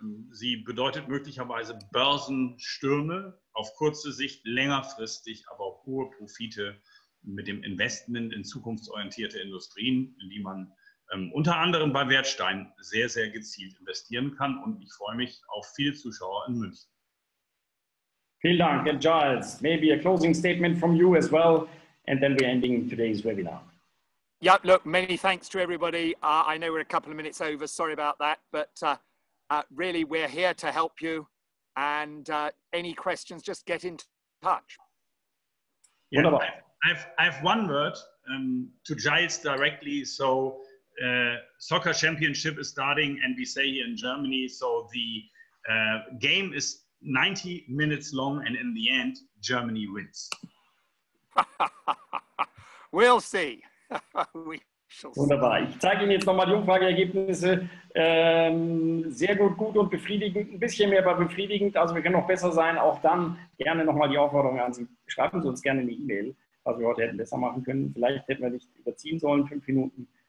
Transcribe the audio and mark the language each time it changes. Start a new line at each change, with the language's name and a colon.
German: Sie bedeutet möglicherweise Börsenstürme, auf kurze Sicht, längerfristig, aber auch hohe Profite mit dem Investment in zukunftsorientierte Industrien, in die man unter anderem bei Wertstein sehr, sehr gezielt investieren kann. Und ich freue mich auf viele Zuschauer in München. Vielen Dank, and Giles.
English: Maybe a closing statement from you as well, and then we're ending today's webinar. Yeah, look, many thanks to everybody. I know we're a couple of minutes over, sorry about that, but... really, we're here to help you. And any questions, just get in touch. Yeah, I have one word to Giles directly. So soccer championship is starting, and we say here in Germany, so the game is 90 minutes long, and in the end, Germany wins. We'll see.
German: Wunderbar. Ich zeige Ihnen jetzt nochmal die Umfrageergebnisse. Sehr gut und befriedigend. Ein bisschen mehr, aber befriedigend. Also wir können noch besser sein. Auch dann gerne nochmal die Aufforderung an Sie. Schreiben Sie uns gerne eine E-Mail, was wir heute hätten besser machen können. Vielleicht hätten wir nicht überziehen sollen, 5 Minuten.